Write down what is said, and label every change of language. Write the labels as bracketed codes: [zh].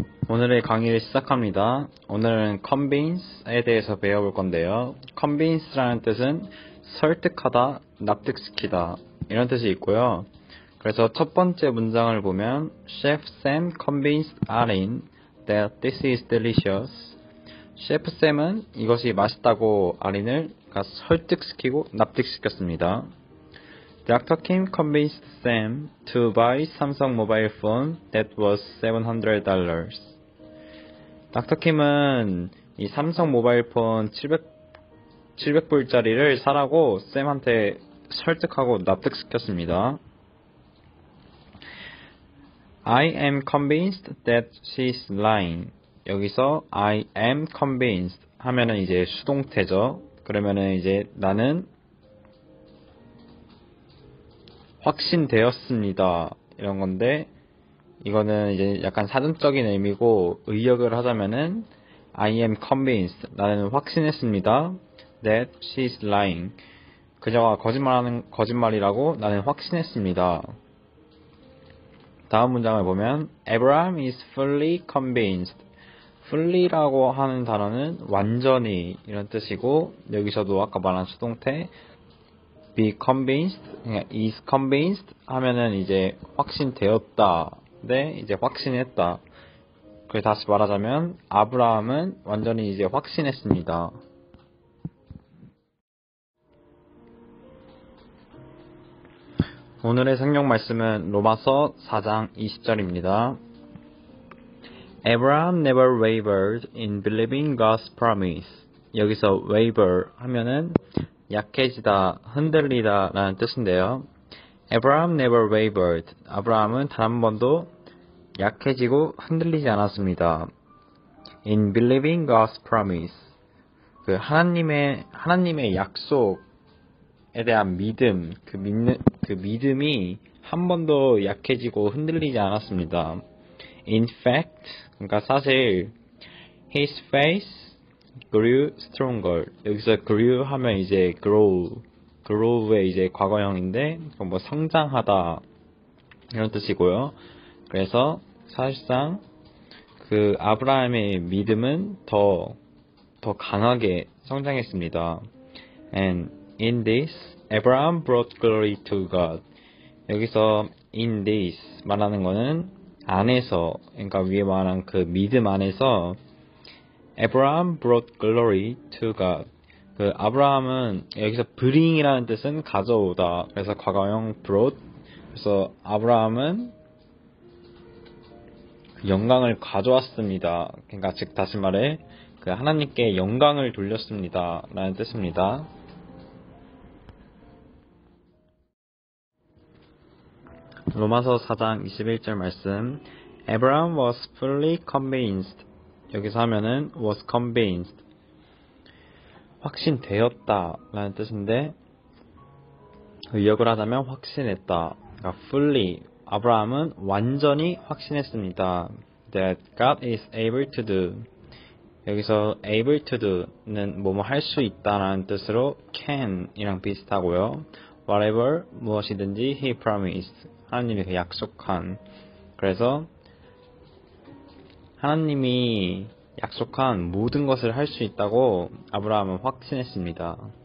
[ko] 오늘의 강의를 시작합니다. 오늘은 convince에 대해서 배워볼 건데요. convince라는 뜻은 설득하다, 납득시키다 이런 뜻이 있고요. 그래서 첫 번째 문장을 보면 [en] Chef Sam convinced Alin that this is delicious. [ko] Chef Sam은 이것이 맛있다고 아린을 설득시키고 납득시켰습니다. [en] Dr. Kim convinced Sam to buy Samsung mobile phone that was $700. Dr. [ko] Kim은 이 삼성 모바일 폰 700불짜리를 사라고 쌤한테 설득하고 납득시켰습니다. [en] I am convinced that she's lying. [ko] 여기서 I am convinced 하면은 이제 수동태죠. 그러면은 이제 나는 확신되었습니다. 이런 건데, 이거는 이제 약간 사전적인 의미고, 의역을 하자면은 [en] I am convinced, [ko] 나는 확신했습니다 [en] that she is lying, [ko] 그녀가 거짓말하는 거짓말이라고 나는 확신했습니다. 다음 문장을 보면 [en] Abraham is fully convinced. [ko] fully라고 하는 단어는 완전히 이런 뜻이고, 여기서도 아까 말한 수동태 be convinced, is convinced 하면은 이제 확신되었다. 네, 이제 확신했다. 그 다시 말하자면 아브라함은 완전히 이제 확신했습니다. 오늘의 성경 말씀은 로마서 4장 20절입니다. [en] Abraham never wavered in believing God's promise. [ko] 여기서 waver 하면은 약해지다, 흔들리다라는 뜻인데요. [en] Abraham never wavered. [ko] 아브라함은 단한 번도 약해지고 흔들리지 않았습니다. [en] In believing God's promise. [ko] 그 하나님의 약속에 대한 믿음, 그 믿음이 한 번도 약해지고 흔들리지 않았습니다. [en] In fact, [ko] 그러니까 사실 [en] his faith grew stronger. [ko] 여기서 grew 하면 이제 grow의 이제 과거형인데 뭐 성장하다 이런 뜻이고요. 그래서 사실상 그 아브라함의 믿음은 더 강하게 성장했습니다. [en] And in this, Abraham brought glory to God. [ko] 여기서 in this 말하는 거는 안에서, 그러니까 위에 말한 그 믿음 안에서 [en] Abraham brought glory to God. [ko] 그 아브라함은 여기서 bring이라는 뜻은 가져오다. 그래서 과거형 brought. 그래서 아브라함은 영광을 가져왔습니다. 그러니까 즉 다시 말해 그 하나님께 영광을 돌렸습니다라는 뜻입니다. 로마서 4장 21절 말씀. [en] Abraham was fully convinced. [ko] 여기서 하면은 was convinced. 확신되었다라는 뜻인데 의역을 하자면 확신했다. 그러니까 fully. 아브라함은 완전히 확신했습니다. [en] That God is able to do. [ko] 여기서 able to do는 뭐뭐 할수 있다라는 뜻으로 can이랑 비슷하고요. [en] Whatever [ko] 무엇이든지 [en] He promised. [ko] 하나님이 약속한. 그래서 하나님이 약속한 모든 것을 할수 있다고 아브라함은 확신했습니다.